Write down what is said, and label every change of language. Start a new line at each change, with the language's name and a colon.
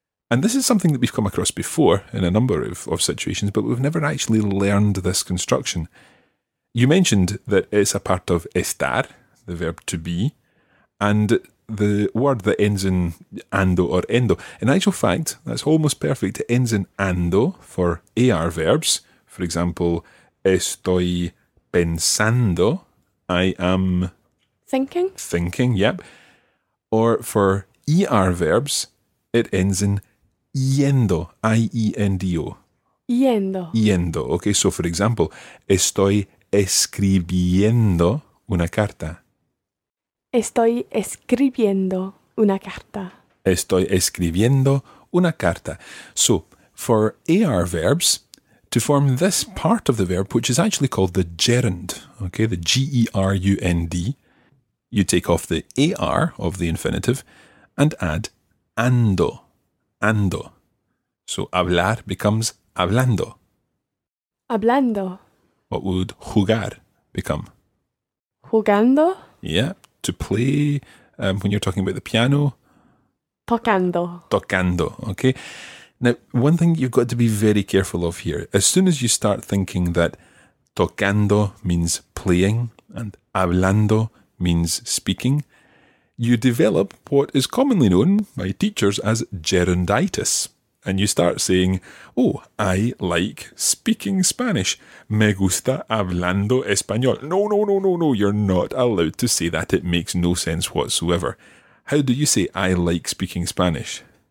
English: And this is something that we've come across before in a number of situations, but we've never actually learned this construction. You mentioned that it's a part of estar, the verb to be, and the word that ends in ando or endo. In actual fact, that's almost perfect. It ends in ando for AR verbs. For example,
Spanish: estoy pensando.
English: I am... thinking. Thinking, yep. Or for ER verbs, it ends in yendo. I-E-N-D-O.
Spanish: Yendo. Yendo.
English: Okay, so for example,
Spanish: estoy escribiendo una carta. Estoy escribiendo una carta. Estoy escribiendo una carta.
English: So, for AR verbs, to form this part of the verb, which is actually called the gerund, okay, the G-E-R-U-N-D, you take off the AR of the infinitive and add ando, ando. So, hablar becomes hablando.
Spanish: Hablando.
English: What would jugar become?
Spanish: Jugando.
English: Yeah. To play, when you're talking about the piano?
Spanish: Tocando. Tocando, okay.
English: Now, one thing you've got to be very careful of here, as soon as you start thinking that tocando means playing and hablando means speaking, you develop what is commonly known by teachers as gerunditis. And you start saying, oh, I like speaking Spanish.
Spanish: Me gusta hablando español.
English: No, no, no, no, no. You're not allowed to say that. It makes no sense whatsoever. How do you say I like speaking Spanish?